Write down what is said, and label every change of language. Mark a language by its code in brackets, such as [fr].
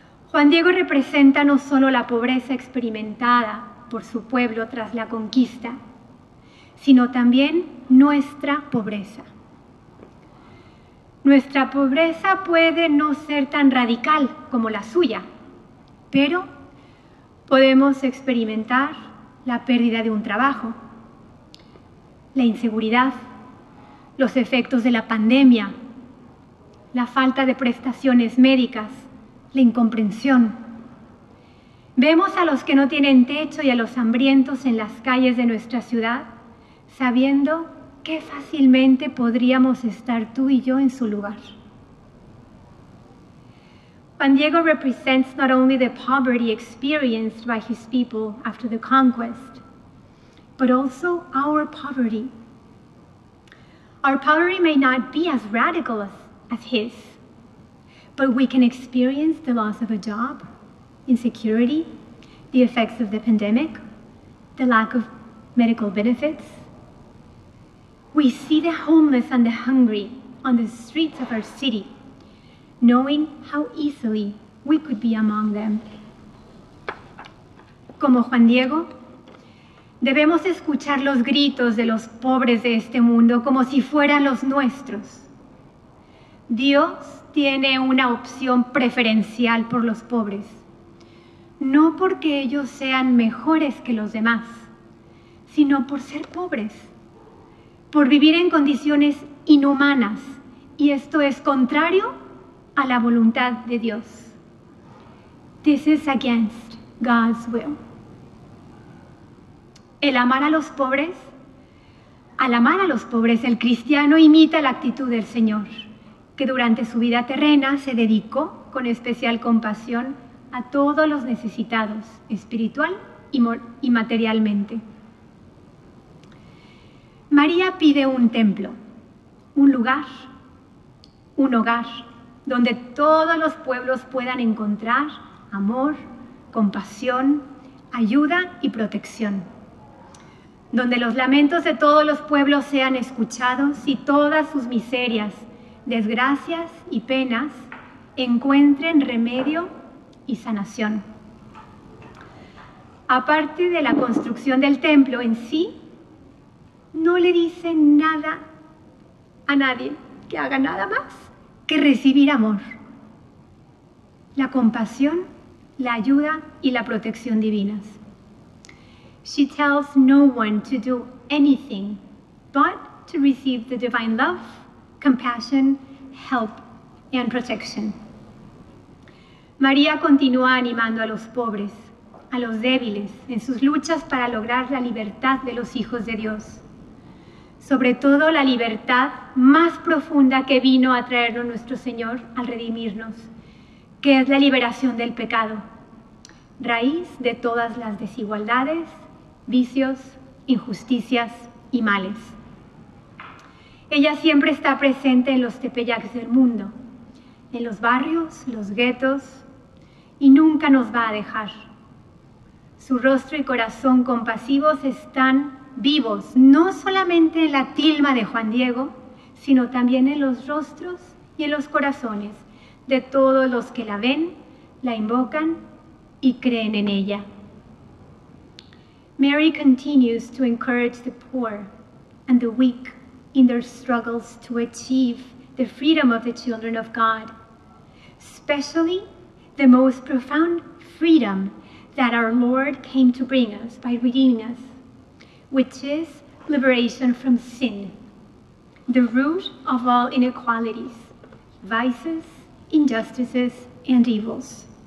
[es] Juan Diego representa no solo la pobreza experimentada por su pueblo tras la conquista, sino también nuestra pobreza. Nuestra pobreza puede no ser tan radical como la suya, pero podemos experimentar la pérdida de un trabajo, la inseguridad, los efectos de la pandemia, la falta de prestaciones médicas, la incomprensión. Vemos a los que no tienen techo y a los hambrientos en las calles de nuestra ciudad, sabiendo qué fácilmente podríamos estar tú y yo en su lugar. [en] Juan Diego represents not only the poverty experienced by his people after the conquest, but also our poverty. Our poverty may not be as radical as his, but we can experience the loss of a job, insecurity, the effects of the pandemic, the lack of medical benefits. We see the homeless and the hungry on the streets of our city, knowing how easily we could be among them. [es] Como Juan Diego, debemos escuchar los gritos de los pobres de este mundo como si fueran los nuestros. Dios tiene una opción preferencial por los pobres, no porque ellos sean mejores que los demás, sino por ser pobres, por vivir en condiciones inhumanas, y esto es contrario a la voluntad de Dios. [en] This is against God's will. [es] El amar a los pobres, al amar a los pobres, el cristiano imita la actitud del Señor, que durante su vida terrena se dedicó con especial compasión a todos los necesitados, espiritual y materialmente. María pide un templo, un lugar, un hogar, donde todos los pueblos puedan encontrar amor, compasión, ayuda y protección, donde los lamentos de todos los pueblos sean escuchados y todas sus miserias, desgracias y penas encuentren remedio y sanación. Aparte de la construcción del templo en sí, no le dice nada a nadie que haga nada más que recibir amor, la compasión, la ayuda y la protección divinas. [en] She tells no one to do anything but to receive the divine love, compassion, help, and protection. [es] María continúa animando a los pobres, a los débiles, en sus luchas para lograr la libertad de los hijos de Dios, sobre todo la libertad más profunda que vino a traernos nuestro Señor al redimirnos, que es la liberación del pecado, raíz de todas las desigualdades, vicios, injusticias y males. Ella siempre está presente en los tepeyacs del mundo, en los barrios, los guetos, y nunca nos va a dejar. Su rostro y corazón compasivos están vivos, no solamente en la tilma de Juan Diego, sino también en los rostros y en los corazones de todos los que la ven, la invocan y creen en ella. [en] Mary continues to encourage the poor and the weak in their struggles to achieve the freedom of the children of God, especially the most profound freedom that our Lord came to bring us by redeeming us, which is liberation from sin, the root of all inequalities, vices, injustices, and evils.